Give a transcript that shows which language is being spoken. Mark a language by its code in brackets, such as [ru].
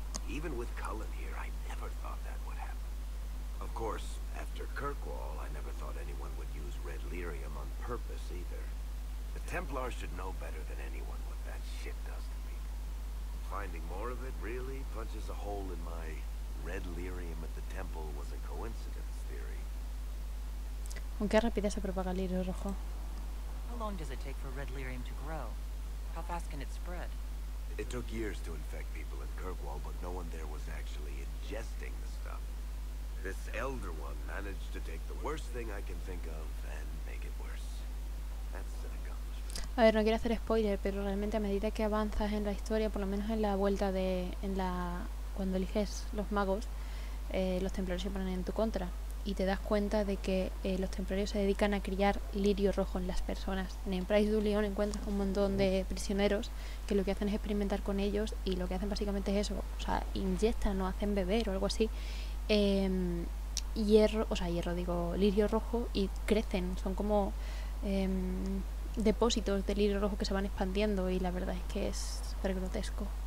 [en] Even with Cullen here, I never thought that would happen. Of course, after Kirkwall, I never thought anyone would use Red Lirium on purpose either. The Templars should know better than anyone what that shit does to me. Finding more of it really punches a hole in my Red Lirium at the Temple was a coincidence theory. [es] ¿Con qué rapidez se propaga el lirio rojo? [en] How long does it take for red lyrium to grow? How fast can it spread? It took years to infect people in Kirkwall, but no one there was actually ingesting the stuff. This Elder One managed to take the worst thing I can think of and make it worse. That's an accomplishment. [es] A ver, no quiero hacer spoiler, pero realmente a medida que avanzas en la historia, por lo menos en la vuelta de... en la... cuando eliges los magos, los templarios se ponen en tu contra. Y te das cuenta de que los templarios se dedican a criar lirio rojo en las personas. En el Price du Lion encuentras un montón de prisioneros que lo que hacen es experimentar con ellos, y lo que hacen básicamente es eso, o sea, inyectan o hacen beber o algo así, hierro, lirio rojo, y crecen, son como depósitos de lirio rojo que se van expandiendo, y la verdad es que es súper grotesco.